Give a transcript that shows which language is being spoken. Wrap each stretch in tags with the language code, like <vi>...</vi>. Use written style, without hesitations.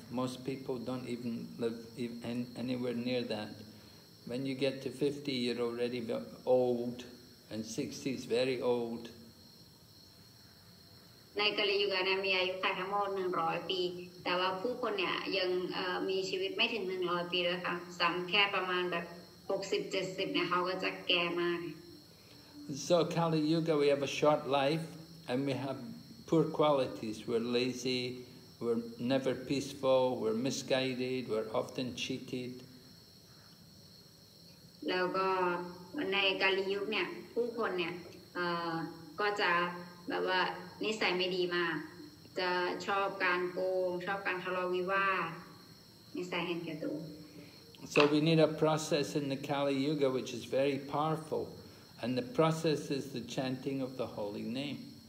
<en>Most people don't even live anywhere near that. When you get to 50, you're already old, and 60 is very old.</en> <th>ในกาลยุคนั้นมีอายุขัยทั้งหมด100ปีแต่ว่าผู้คนเนี่ยยังมีชีวิตไม่ถึง100ปีนะคะซ้ำแค่ประมาณแบบ 60-70 เนี่ยเขาก็จะแก่มาก</th> <en>So Kali Yuga, we have a short life, and we have poor qualities. We're lazy, we're never peaceful, we're misguided, we're often cheated.</en> <th>แล้วก็ในกาลยุคเนี่ยผู้คนเนี่ยก็จะแบบว่านิสัยไม่ดีมากจะชอบการโกงชอบการทะเลาะวิวาทนิสัยเห็นแก่ตัว</th> <en>So we need a process in the Kali Yuga which is very powerful. And the process is the chanting of the holy name.</en>